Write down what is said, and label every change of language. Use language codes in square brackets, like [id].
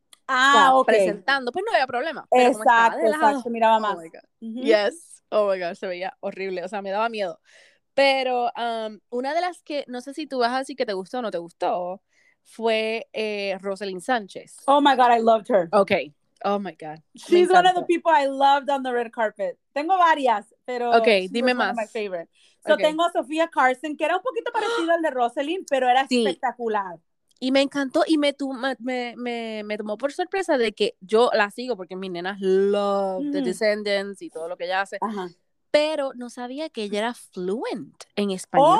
[es] Ah, o sea, ok. Presentando, pues no había problema. Exacto, pero exacto, se miraba más. [en] Oh my God. [es] Mm-hmm. [en] Yes, oh my God, [es] se veía horrible, o sea, me daba miedo. Pero una de las que, no sé si tú vas a decir que te gustó o no te gustó, fue Rosalyn Sánchez. [en] Oh my God, I loved her. Ok, oh my God. She's one of the people I loved on the red carpet. [es] Tengo varias, pero okay, dime más. [en] One of my favorite. So okay. [es] Tengo a Sofía Carson, que era un poquito parecido al de Rosalyn, pero era espectacular. Y me encantó y me tomó por sorpresa de que yo la sigo porque mis nenas [en] love The Descendants [es] y todo lo que ella hace. Ajá. Pero no sabía que ella era fluent en español.